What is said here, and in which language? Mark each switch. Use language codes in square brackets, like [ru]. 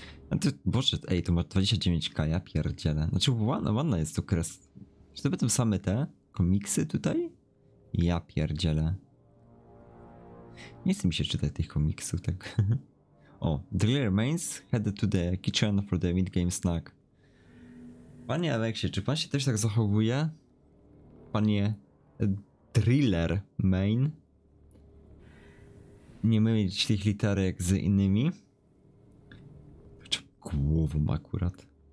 [pl] A ty, boże, ej, to ma 29k, ja pierdzielę. Znaczy, ładna jest tu kres. Czy to będą same te komiksy tutaj? Ja pierdzielę. Nie chce mi się czytać tych komiksów, tak. [en] O, The Clear Mains headed to the kitchen for the mid-game snack. [pl] Panie Aleksie, czy pan się też tak zachowuje? Panie Driller Main. Nie mylić tych literek z innymi. Czy głową akurat.